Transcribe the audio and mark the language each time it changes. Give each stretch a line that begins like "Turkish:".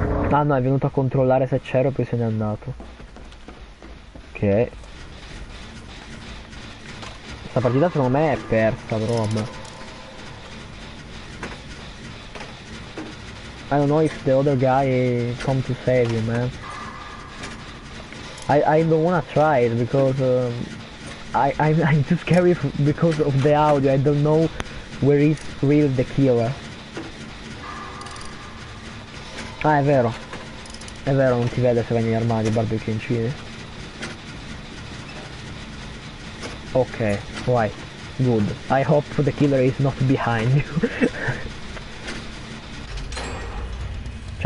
Italian: Ah no, è venuto a controllare se c'ero e poi se n'è andato. Ok. Questa partita secondo me è persa, però vabbè.
English: I don't know if the other guy come to save you, man. I don't wanna try it because I'm too scary because of the audio. I don't know where is really the killer.
Italian: Ah, è vero. È vero, non ti vede se vai negli armadi, barbecue in cile.
English: Ok, why? Good. I hope the killer is not behind you.
Italian: C'è